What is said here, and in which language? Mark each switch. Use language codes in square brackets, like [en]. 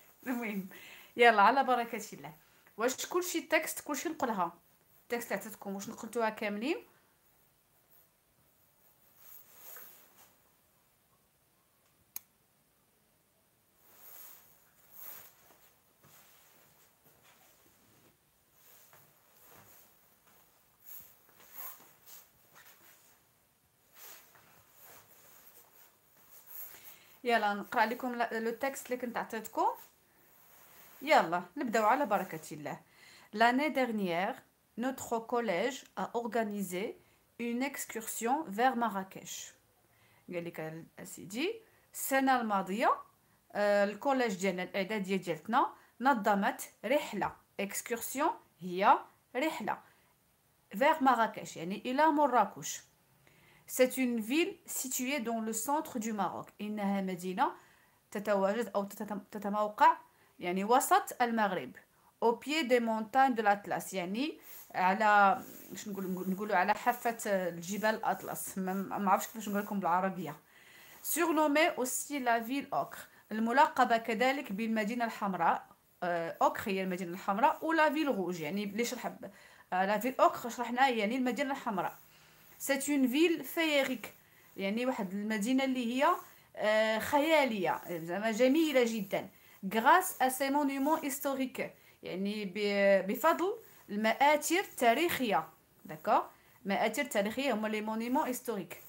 [ar] المهم يلا على بركه الله. واش كلشي تكست كلشي نقولها التكست اللي عطيتكم واش نقلتوها كاملين؟ يلا نقرا لكم لو تيكست اللي كنت عطيتكم. يلا نبداو على بركه الله. [fr] L'année dernière, notre collège a organisé une excursion vers Marrakech. [ar] قال لك اسيدي السنه الماضيه الكوليج ديالنا الاعداديه ديالتنا نظمت رحله، اكسكورسيون هي رحله، [fr] vers Marrakech [ar] يعني الى مراكش. [fr] C'est une ville située dans le centre du Maroc. [ar] إنها مدينة تتواجد أو تتموقع يعني وسط المغرب. [fr] Au pied des montagnes de l'Atlas. [ar] يعني على نقول على حافة الجبال الأطلس. ما عرفش كيفاش نقول لكم بالعربية. [fr] Surnommée aussi la ville ocre. [ar] الملقبة كذلك بالمدينة الحمراء. أوكر هي المدينة الحمراء. [fr] أو la ville rouge. [ar] يعني ليش نحب la ville ocre شرحناها يعني المدينة الحمراء. [fr] C'est une ville féerique. [ar] يعني واحد المدينة اللي هي خيالية زعما جميلة جدا. [fr] Grâce à ses monuments historiques. [ar] يعني بفضل المآثر التاريخية. داكوغ؟ مآثر تاريخية هما لي مونيمون هيستوريك.